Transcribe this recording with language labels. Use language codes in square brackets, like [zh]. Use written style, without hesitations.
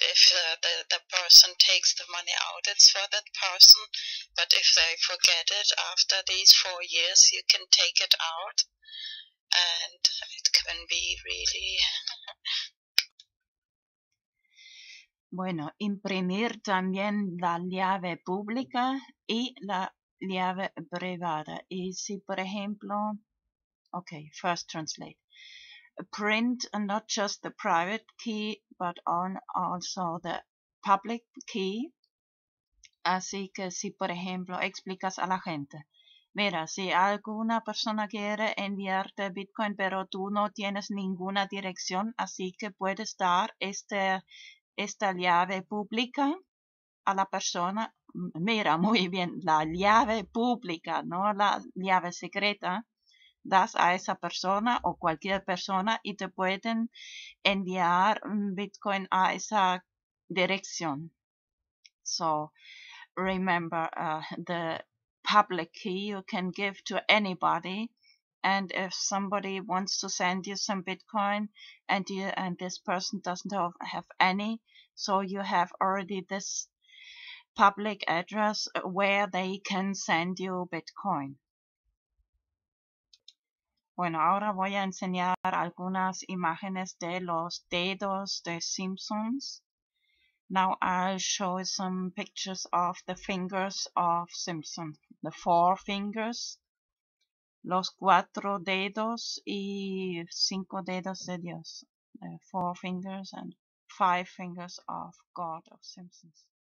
[en] If the person takes the money out, it's for that person. But if they forget it after these 4 years, you can take it out, and it can be really. [es] Bueno, imprimir también la llave pública y la llave privada. Y si por ejemplo, okay, [en] first translate. Print not just the private key, but on also the public key. [es] Así que si, por ejemplo, explicas a la gente. Mira, si alguna persona quiere enviarte Bitcoin, pero tú no tienes ninguna dirección, así que puedes dar esta llave pública a la persona. Mira, muy bien, la llave pública, no la llave secreta. Das a esa persona o cualquier persona y te pueden enviar Bitcoin a esa dirección. [en] So, remember, the public key you can give to anybody. And if somebody wants to send you some Bitcoin and this person doesn't have any, so you have already this public address where they can send you Bitcoin. [es] Bueno, ahora voy a enseñar algunas imágenes de los dedos de Simpsons. [en] Now I'll show you some pictures of the fingers of Simpson. The four fingers, [es] los cuatro dedos y cinco dedos de Dios. [en] Four fingers and five fingers of God of Simpsons.